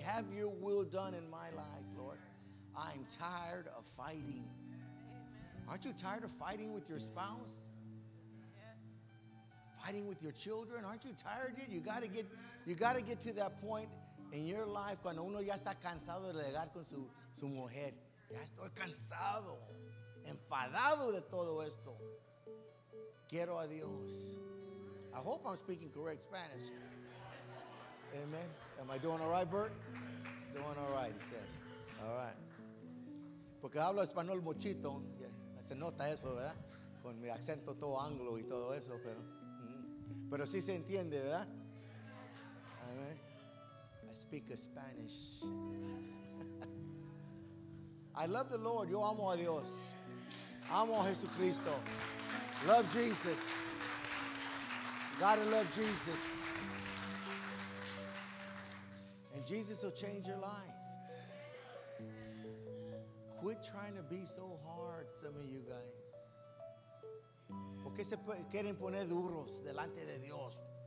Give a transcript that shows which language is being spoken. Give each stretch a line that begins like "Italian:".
English: Have your will done in my life, Lord. I'm tired of fighting. Aren't you tired of fighting with your spouse? Yes. Fighting with your children? Aren't you tired yet? You got to get to that point in your life.
Spanish: Cuando uno ya está cansado de legar con su mujer. Ya estoy cansado. Enfadado de todo esto. Quiero a Dios.
English: I hope I'm speaking correct Spanish. Amen. Am I doing all right, Bert? Doing all right, he says. All right.
Spanish: Porque hablo español mochito. Yeah. Se nota eso, ¿verdad? Con mi acento todo anglo y todo eso. Pero sí se entiende, ¿verdad? Amen.
English: I speak a Spanish. I love the Lord.
Spanish: Yo amo a Dios. Amo a Jesucristo.
English: Love Jesus. Gotta love Jesus. And Jesus will change your life. Quit trying to be so hard, some of you guys.
Spanish: ¿Por qué se quieren poner duros delante de Dios?